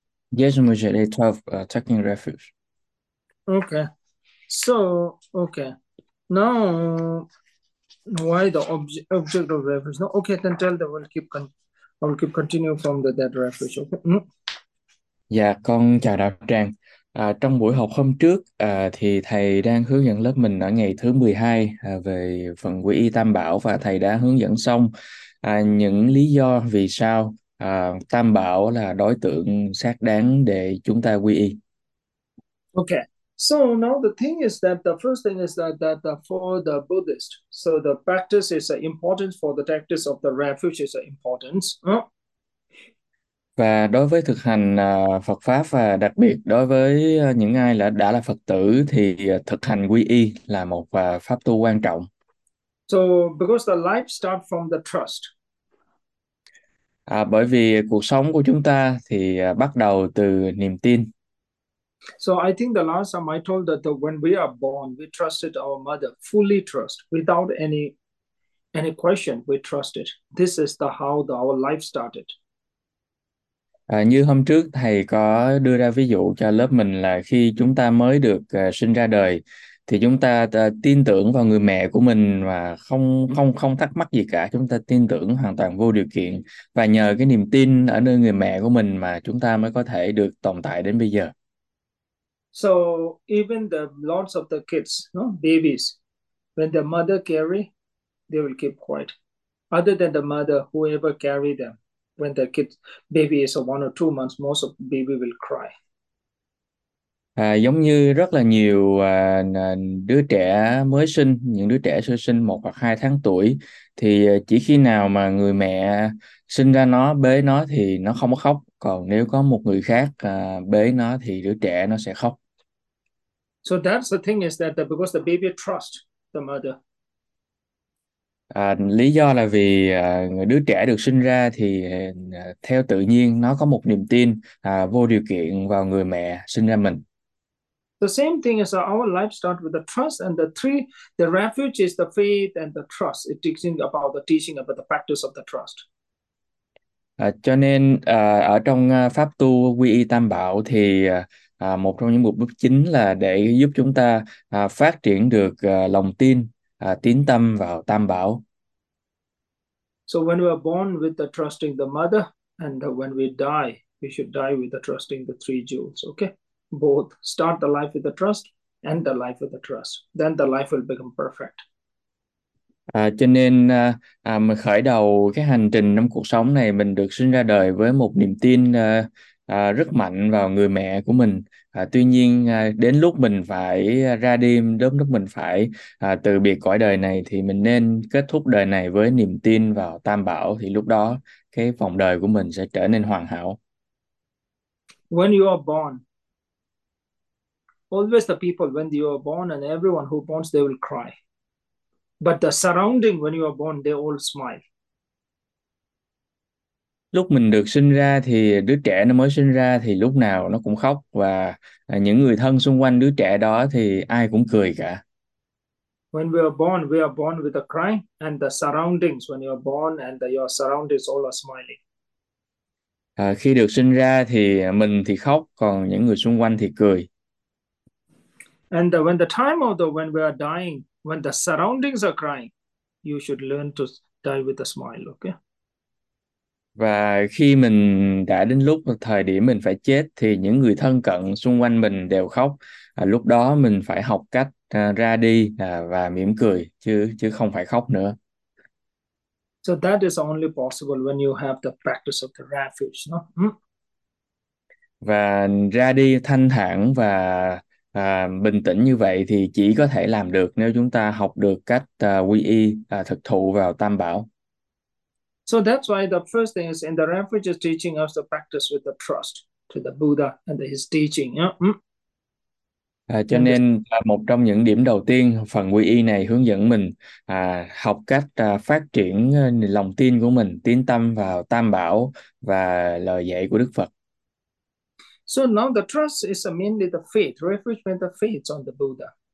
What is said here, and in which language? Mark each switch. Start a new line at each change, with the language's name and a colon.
English: Yes, Mujer, day 12, attacking refuge. Okay. So, okay. Now, why the object of refuge? No, okay, then tell them we'll keep continue from that refuge. Okay.
Vietnamese: Dạ, con chào đạo tràng. Trong buổi học hôm trước thì thầy đang hướng dẫn lớp mình ở ngày thứ 12 về phần quy y Tam Bảo, và thầy đã hướng dẫn xong những lý do vì sao Tam Bảo là đối tượng xác đáng để chúng ta quy y.
English: Okay, so now the thing is that the first thing is that for the Buddhist, so the practice is important for the practice of the refuge is important.
Vietnamese: Và đối với thực hành Phật pháp, và đặc biệt đối với những ai đã là Phật tử, thì thực hành quy y là một pháp tu quan trọng.
English: So because the life start from the trust.
Vietnamese: Bởi vì cuộc sống của chúng ta thì bắt đầu từ niềm tin.
English: So I think the last time I told that when we are born, we trusted our mother, fully trust, without any question, we trusted. This is the how the our life started.
Vietnamese: Như hôm trước thầy có đưa ra ví dụ cho lớp mình là khi chúng ta mới được sinh ra đời thì chúng ta tin tưởng vào người mẹ của mình và không không không thắc mắc gì cả, chúng ta tin tưởng hoàn toàn vô điều kiện, và nhờ cái niềm tin ở nơi người mẹ của mình mà chúng ta mới có thể được tồn tại đến bây giờ.
English: So even the lots of the kids, no babies, when the mother carry, they will keep quiet. Other than the mother, whoever carry them, when the kid baby is 1 or 2 months, most of the baby will cry.
Vietnamese: Giống như rất là nhiều đứa trẻ mới sinh, những đứa trẻ sơ sinh 1 hoặc 2 tháng tuổi, thì chỉ khi nào mà người mẹ sinh ra nó, bế nó thì nó không có khóc, còn nếu có một người khác bế nó thì đứa trẻ nó sẽ khóc.
English: So that's the thing is that because the baby trust the mother.
Vietnamese: Lý do là vì đứa trẻ được sinh ra thì theo tự nhiên nó có một niềm tin vô điều kiện vào người mẹ sinh ra mình.
English: The same thing is our life start with the trust and the refuge is the faith and the trust. It teaching about the teaching about the practice of the trust.
Vietnamese: Cho nên ở trong pháp tu quy y Tam Bảo thì một trong những mục đích chính là để giúp chúng ta phát triển được lòng tin, tín tâm vào Tam Bảo.
English: So when we are born with the trusting the mother, and when we die, we should die with the trusting the three jewels. Okay, both start the life with the trust, end the life with the trust. Then the life will become perfect.
Vietnamese: Cho nên mình khởi đầu cái hành trình trong cuộc sống này, mình được sinh ra đời với một niềm tin rất mạnh vào người mẹ của mình. Tuy nhiên đến lúc mình phải ra đi, đến lúc mình phải từ biệt cõi đời này, thì mình nên kết thúc đời này với niềm tin vào Tam Bảo, thì lúc đó cái vòng đời của mình sẽ trở nên hoàn hảo.
English: When you are born, always the people, when you are born and everyone who borns, they will cry. But the surrounding, when you are born, they all smile.
Vietnamese: Lúc mình được sinh ra thì đứa trẻ nó mới sinh ra thì lúc nào nó cũng khóc, và những người thân xung quanh đứa trẻ đó thì ai cũng cười cả.
English: When we are born with a cry, and the surroundings, when you are born and your surroundings all are smiling.
Vietnamese: Khi được sinh ra thì mình thì khóc, còn những người xung quanh thì cười.
English: And when the time of the when we are dying, when the surroundings are crying, you should learn to die with a smile, okay?
Vietnamese: Và khi mình đã đến lúc thời điểm mình phải chết thì những người thân cận xung quanh mình đều khóc. Lúc đó mình phải học cách ra đi và mỉm cười chứ chứ không phải khóc nữa.
English: So that is only possible when you have the practice of the refuge, no?
Vietnamese: Và ra đi thanh thản và bình tĩnh như vậy thì chỉ có thể làm được nếu chúng ta học được cách quy y, thực thụ vào Tam Bảo.
English: So that's why the first thing is in the refuge is teaching us the practice with the trust to the Buddha and his teaching.
Vietnamese: Cho nên một trong những điểm đầu tiên phần quy y này hướng dẫn mình học cách phát triển lòng tin của mình, tín tâm vào Tam Bảo và lời dạy của Đức Phật.
English: So now the trust is mainly the faith. Refuge means the faith on the Buddha.